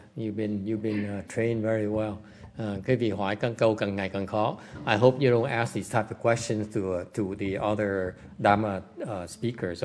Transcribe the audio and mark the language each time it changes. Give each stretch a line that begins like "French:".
English: You've been trained very well.
Vietnamese: Cái vị hỏi càng câu càng ngày càng khó.
English: I hope you don't ask these type of questions to the other Dharma speakers.